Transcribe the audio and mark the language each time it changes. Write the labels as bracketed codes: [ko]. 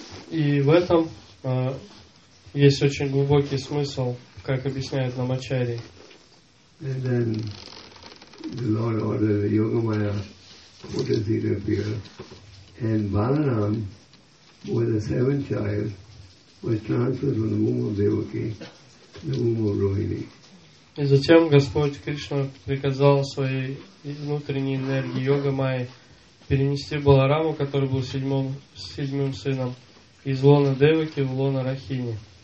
[ru] И в этом есть очень глубокий смысл, как объясняют нам Ачарьи. [en] And then the Lord ordered Yogamaya put his seat up here, and Balaram, with a seventh child, was transferred from the womb of Devaki to the womb of Rohini. [ru] И затем Господь Кришна приказал своей внутренней энергии Йогамайи перенести Баларама, который был седьмым сыном, из лона Деваки в лона Рахини.